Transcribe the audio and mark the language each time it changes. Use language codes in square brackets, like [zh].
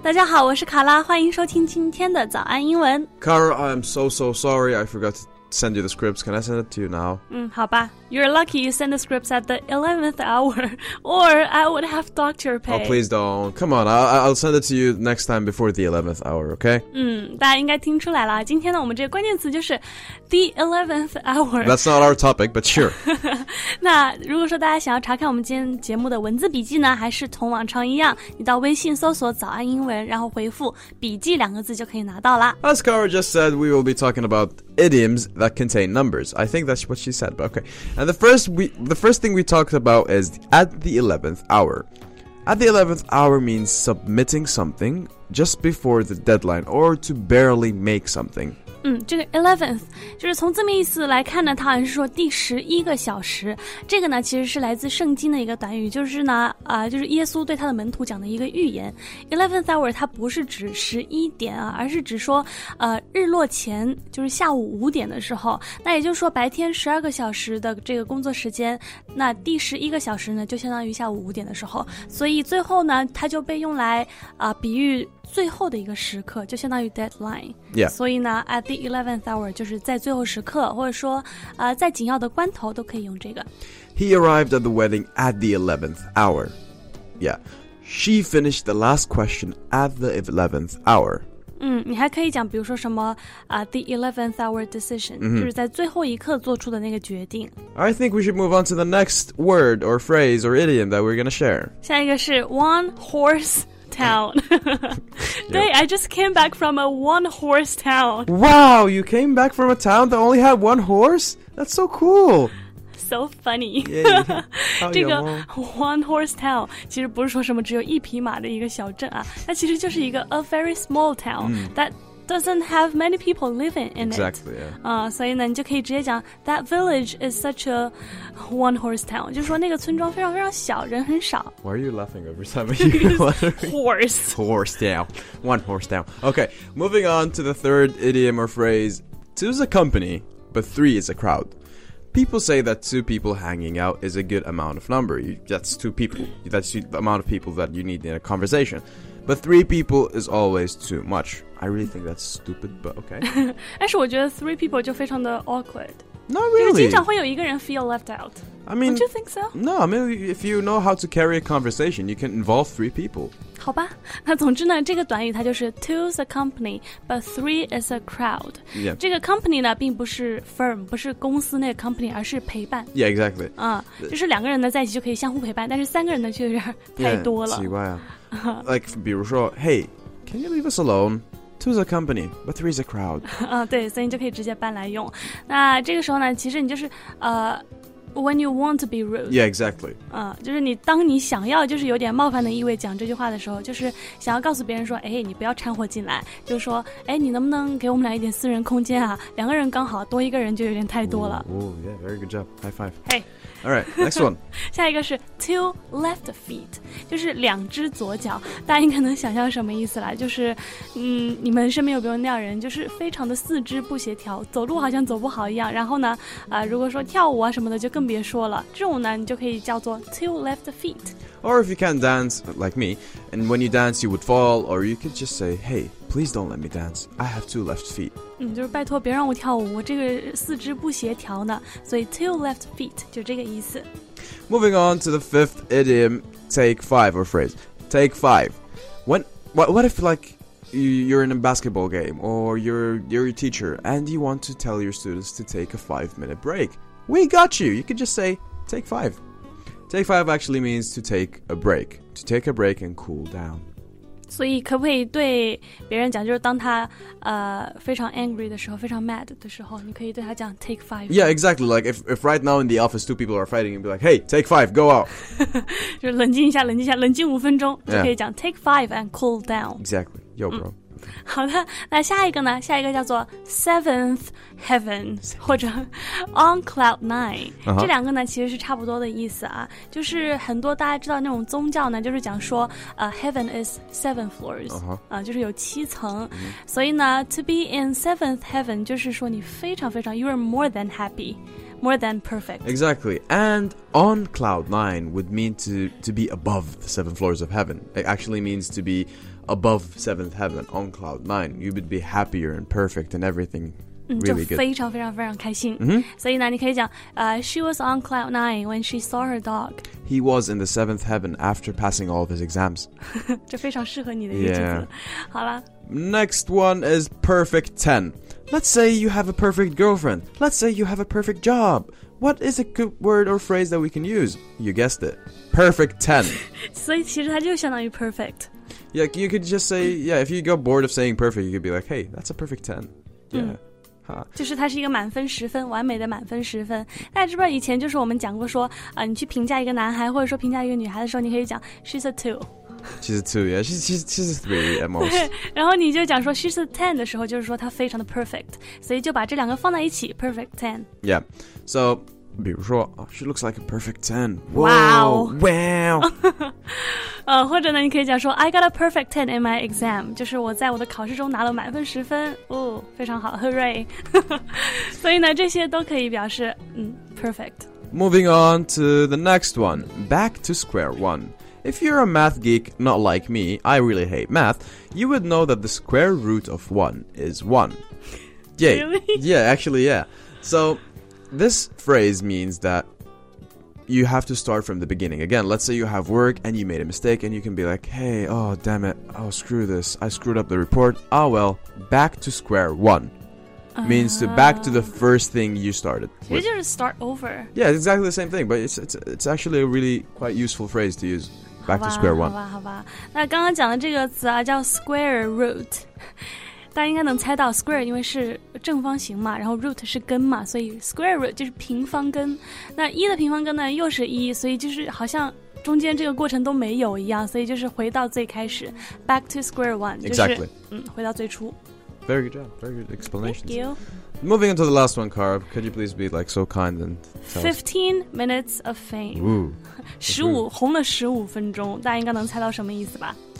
[zh] 大家好，我是卡拉，欢迎收听今天的早安英文。 [en] Cara, I'm so sorry, I forgot to send you the scripts. Can I send it to you now? [zh] 好吧。 [en] You're lucky you send the scripts at the 11th hour, or I would have docked your pay. Oh, please don't. Come on, I'll send it to you next time before the 11th hour, okay? [zh] 大家应该听出来了，今天呢，我们这个关键词就是 the 11th hour. [en] That's not our topic, but sure. [zh] 那如果说大家想要查看我们今天节目的文字笔记呢，还是同往常一样，你到微信搜索早安英文，然后回复笔记两个字就可以拿到了。 [en] As Cara just said, we will be talking about idioms that contain numbers. I think that's what she said, but okay. And the first thing we talked about is at the 11th hour. At the 11th hour means submitting something just before the deadline or to barely make something. [zh] 这个 11th, 就是从字面意思来看呢，它好像是说第十一个小时。这个呢其实是来自圣经的一个短语，就是呢、就是耶稣对他的门徒讲的一个预言。 11th hour 它不是指十一点啊，而是指说日落前，就是下午五点的时候。那也就是说白天十二个小时的这个工作时间，那第十一个小时呢就相当于下午五点的时候。所以最后呢它就被用来比喻最后的一个时刻，就相当于 deadline。 [en] Yeah. [zh] 所以呢 at the 11th hour 就是在最后时刻，或者说在紧要的关头都可以用这个。 [en] He arrived at the wedding at the 11th hour. Yeah. She finished the last question at the 11th hour. [zh] 你还可以讲比如说什么the 11th hour decision,、mm-hmm. 就是在最后一刻做出的那个决定。 [en] I think we should move on to the next word or phrase or idiom that we're going to share. [zh] 下一个是 [en] one horse... town. Day, I just came back from a one horse town. Wow, you came back from a town that only had one horse? That's so cool. So funny. Yeah, yeah. [zh] 这个 one horse town 其实不是说什么只有一匹马的一个小镇啊，它其实就是一个 [en] a very small town、 [zh] mm. [en] that doesn't have many people living in exactly, it. Exactly, yeah. [zh] 所以呢你就可以直接讲 [en] that village is such a one horse town. [zh] 就是说那个村庄非常非常小，人很少。 [en] Why are you laughing every time you Horse. Horse town. One horse town. Okay, moving on to the third idiom or phrase. Two is a company, but three is a crowd. People say that two people hanging out is a good amount of number. That's two people. That's the amount of people that you need in a conversation. But three people is always too much. I really think that's stupid, but okay. [zh] 但是我觉得 three people 就非常的 awkward. [en] Not really. [zh] 就经常会有一个人 [en] feel left out. I mean, don't you think so? No, I mean, if you know how to carry a conversation, you can involve three people. [zh] 好吧，那总之呢，这个短语它就是 [en] two's a company, but three is a crowd. Yeah. [zh] 这个 company 呢，并不是 firm, 不是公司那个 company, 而是陪伴。 [en] Yeah, exactly. [zh] 就是两个人呢在一起就可以相互陪伴，但是三个人呢却有点太多了。 Yeah, 奇怪啊。 [en] Like, [zh] 比如说 [en] hey, can you leave us alone? Two's a company, but three's a crowd. [zh] 对，所以你就可以直接搬来用。那这个时候呢，其实你就是 [en] when you want to be rude. Yeah, exactly. [zh] 就是你当你想要就是有点冒犯的意味讲这句话的时候，就是想要告诉别人说，哎，你不要掺和进来，就是说，哎，你能不能给我们俩一点私人空间啊？两个人刚好，多一个人就有点太多了。 [en] Ooh, ooh, yeah, very good job. High five. Hey. All right, next one. [zh] 下一个是 two left feet, 就是两只左脚。大家应该能想象什么意思了，就是，你们身边有没有那样人，就是非常的四肢不协调，走路好像走不好一样。然后呢，如果说跳舞啊什么的，就更别说了。这种呢，你就可以叫做 two left feet. [en] Or if you can't dance like me, and when you dance you would fall, or you could just say, hey, please don't let me dance. I have two left feet. [zh] 就是拜托别让我跳舞，我这个四肢不协调呢，所以 two left feet 就这个意思。 [en] Moving on to the fifth idiom, take five or phrase. Take five. What if like you're in a basketball game or you're a teacher and you want to tell your students to take a 5 minute break? We got you. You could just say take five. Take five actually means to take a break. To take a break and cool down. [zh] 所以可不可以对别人讲，就是当他非常 angry 的时候，非常 mad 的时候，你可以对他讲 take five. [en] Yeah, exactly. Like if right now in the office two people are fighting, you'd be like, hey, take five, go out. [zh] 就冷静一下，冷静一下，冷静五分钟、 [en] yeah. [zh] 就可以讲 [en] take five and cool down. Exactly, yo bro.、 [zh] 好的，那下一个呢？下一个叫做 Seventh Heaven 或者 On Cloud Nine、uh-huh. 这两个呢其实是差不多的意思啊，就是很多大家知道那种宗教呢就是讲说、 [en] Heaven is seven floors、 uh-huh. [zh] 就是有七层、uh-huh. 所以呢 [en] To be in Seventh Heaven [zh] 就是说你非常非常 [en] You are more than happyMore than perfect. Exactly. And on cloud nine would mean to be above the seven floors of heaven. It actually means to be above seventh heaven, on cloud nine. You would be happier and perfect and everything really good. [zh] 就非常非常非常开心。 Mm-hmm. 所以呢你可以讲、 [en] She was on cloud nine when she saw her dog. He was in the seventh heaven after passing all of his exams. [zh] 这非常适合你的一句子。Yeah. 好啦。 [en] Next one is perfect ten. Let's say you have a perfect girlfriend. Let's say you have a perfect job. What is a good word or phrase that we can use? You guessed it. Perfect 10. [zh] 所以其实它就相当于 perfect. [en] Yeah, you could just say, yeah, if you got bored of saying perfect, you could be like, hey, that's a perfect 10. Yeah.、 Huh. [zh] 就是它是一个满分十分，完美的满分十分。大家知不知道以前就是我们讲过说、你去评价一个男孩或者说评价一个女孩的时候，你可以讲 [en] she's a 2. She's a two, yeah. She's a three at most. [zh] 对，然后你就讲说 [en] she's a ten [zh] 的时候，就是说她非常的 perfect. 所以就把这两个放在一起 ，perfect ten. [en] Yeah. So, [zh] 比如说 [en] she looks like a perfect ten. Wow. Wow. [zh] 或者呢，你可以讲说 [en] I got a perfect ten in my exam. [zh] 就是我在我的考试中拿了满分十分。哦，非常好 ，Hooray! 所以呢，这些都可以表示perfect. [en] Moving on to the next one. Back to square one. If you're a math geek, not like me, I really hate math, you would know that the square root of 1 is 1. Yeah, really? Yeah, actually, yeah. So, this phrase means that you have to start from the beginning. Again, let's say you have work and you made a mistake and you can be like, hey, oh, damn it, oh, screw this, I screwed up the report. Oh, well, back to square 1. Means to back to the first thing you started. You just start over. Yeah, it's exactly the same thing, but it's actually a really quite useful phrase to use. Back to square one. [zh] 好吧，那刚刚讲的这个词啊，叫 square root. 大家应该能猜到 square 因为是正方形嘛，然后 root 是根嘛，所以 square root 就是平方根。那一的平方根呢又是一，所以就是好像中间这个过程都没有一样，所以就是回到最开始 ， [en] back to square one. Exactly. [zh] 回到最初。 [en] Very good job. Very good explanation. Thank you. Moving on to the last one, Carb. Could you please be like so kind and tell us? 15 minutes of fame. Ooh. [zh] 15, 红了15分钟，大家应该能猜到什么意思吧？